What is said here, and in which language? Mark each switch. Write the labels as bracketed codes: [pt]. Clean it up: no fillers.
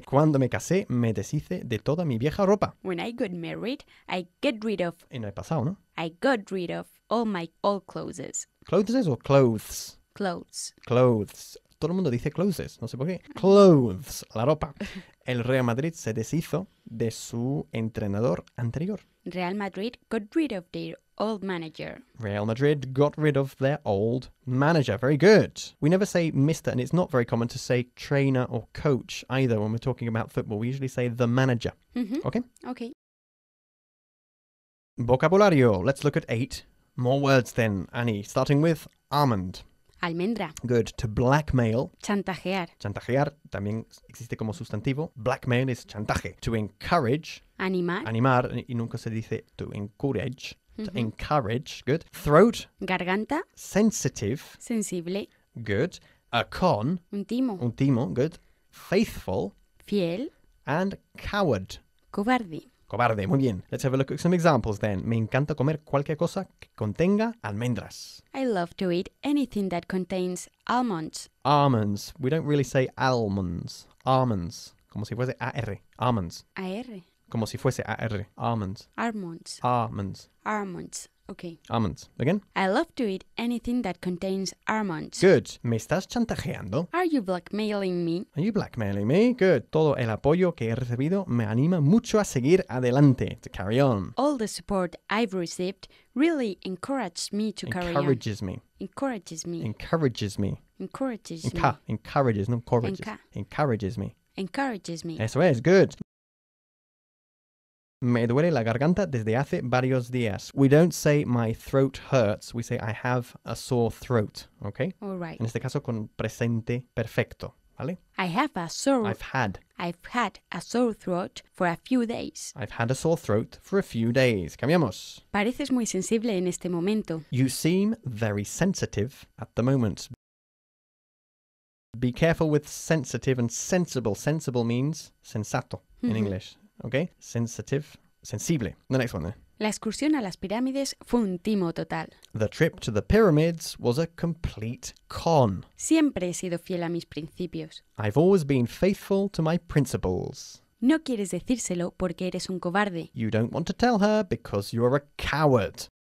[es] Cuando me casé, me deshice de toda mi vieja ropa. [en] When I got married, I get rid of... [es] En el pasado, ¿no? [en] I got rid of all my old clothes. ¿Clothes or clothes? Clothes. Clothes. [es] Todo el mundo dice clothes, no sé por qué. Clothes, la ropa. El Real Madrid se deshizo de su entrenador anterior. [en] Real Madrid got rid of their old manager. Real Madrid got rid of their old manager. Very good. We never say Mr. and it's not very common to say trainer or coach either when we're talking about football. We usually say the manager. Mm-hmm. Okay? Okay. Vocabulario. Let's look at 8 more words then, Annie. Starting with almond. [es] Almendra. [en] Good. To blackmail. [es] Chantajear. Chantajear también existe como sustantivo. [en] Blackmail is [es] chantaje. [en] To encourage. [es] Animar. Animar. Y nunca se dice [en] to encourage. Mm-hmm. To encourage. Good. Throat. [es] Garganta. [en] Sensitive. [es] Sensible. [en] good. A con. [es] Un timo. Un timo, [en] good. Faithful. [es] Fiel. [en] And coward. [es] Cobarde. Cobarde, muy bien. [en] Let's have a look at some examples then. [es] Me encanta comer cualquier cosa que contenga almendras. [en] I love to eat anything that contains almonds. Almonds. We don't really say almonds. Almonds. [es] Como si fuese AR. [en] Almonds. AR. [es] Como si fuese AR. Almonds. [en] Almonds. Almonds. Almonds. Okay. Almonds. Again? I love to eat anything that contains almonds. [es] Good. ¿Me estás chantajeando? [en] Are you blackmailing me? Are you blackmailing me? Good. [es] Todo el apoyo que he recibido me anima mucho a seguir adelante. [en] To carry on. All the support I've received really encouraged me to carry on. Encourages me. Encourages me. Encourages me. Encourages me. Encourages, no encourages. Encourages me. Encourages me. [es] Eso es. Good. Me duele la garganta desde hace varios días. [en] We don't say my throat hurts. We say I have a sore throat. Okay? All right. [es] En este caso con presente perfecto. ¿Vale? [en] I have a sore... I've had a sore throat for a few days. I've had a sore throat for a few days. [es] Cambiamos. Pareces muy sensible en este momento. [en] You seem very sensitive at the moment. Be careful with sensitive and sensible. Sensible means sensato in English. Okay? Sensitive. Sensible. The next one then. [es] La excursión a las pirámides fue un timo total. [en] The trip to the pyramids was a complete con. [es] Siempre he sido fiel a mis principios. [en] I've always been faithful to my principles. [es] No quieres decírselo porque eres un cobarde. [en] You don't want to tell her because you're a coward.